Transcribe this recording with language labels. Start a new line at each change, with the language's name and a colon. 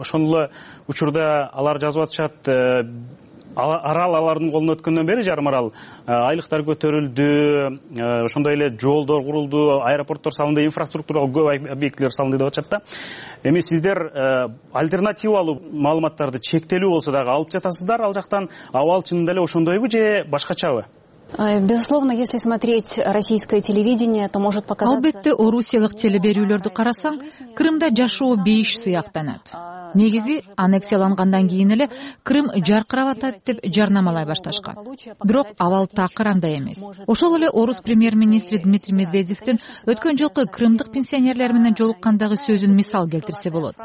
Kyrgyz: Ошондой эле учурда алар жазып атышат, арал алардын колуна өткөндөн бери жарым арал айлыктар көтөрүлдү, ошондой эле жолдор курулду, аэропорттор салынды, инфраструктуралык көп объектилер салынды деп атышат да. Эми сиздер альтернативалуу маалыматтарды чектелүү болсо дагы алып жатасыздар ал жактан, абал чынында эле ошондойбу же башкачабы?
Russian: Безусловно, если смотреть российское телевидение, то может показаться...
Kyrgyz: Албетте, орусиялык телеберүүлөрдү карасаң, Кырымда жашоо бейиш сыяктанат. Негизи, аннексияланганган кийин эле Кырым жаркырап атат деп жарнамалай башташкан. Бирок, абал такыр андай эмес. Ошол эле орус премьер-министри Дмитрий Медведевдин өткөн жылкы кырымдык пенсионерлер менен жолуккандагы сөзүн мисал келтирсе болот.